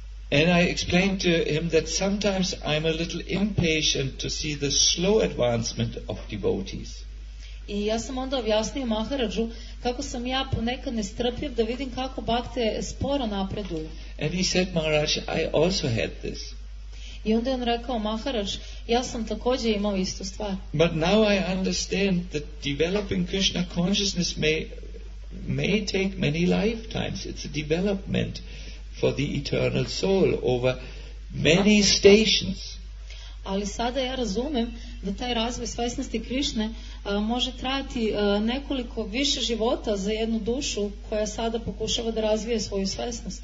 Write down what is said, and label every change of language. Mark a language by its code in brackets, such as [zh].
[en] And I explained to him that sometimes I'm a little impatient to see the slow advancement of devotees. [sr] И јас сам онда објаснио Махараджу како сам ја понекад нестрпљив да видим како бакте споро напредују. [en] And he said, Maharaj, I also had this. [sr] И онда он рекао, Махарадж, јас сам такође имао исту ствар. [en] But now I understand that developing Krishna consciousness may take many lifetimes. It's a development for the eternal soul over many stations. [sr] Ali sada ja razumem da taj razvoj svesnosti Krišne može trajati nekoliko više života za jednu dušu koja sada pokušava da razvije svoju svesnost.